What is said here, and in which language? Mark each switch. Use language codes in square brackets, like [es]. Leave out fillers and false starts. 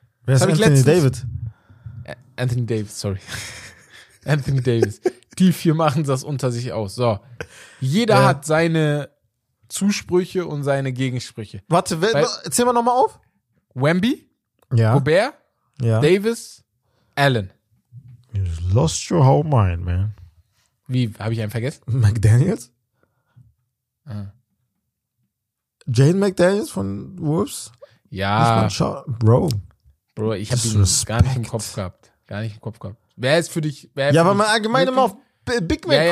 [de] Wer ist Anthony David? Anthony Davis, sorry. Anthony Davis. Die vier machen das unter sich aus. So, jeder hat seine Zusprüche und seine Gegensprüche. Warte, erzähl mal nochmal auf. Wemby, Gobert, Davis, Allen. [en] You just lost your whole mind, man. [de] Wie, habe ich einen vergessen? McDaniels? Jane McDaniels von Wolves? Ja. Bro, ich habe ihn gar nicht im Kopf gehabt. Gar nicht im Kopf gehabt. Wer ist für dich? Wer ja, aber man allgemein immer auf Big Man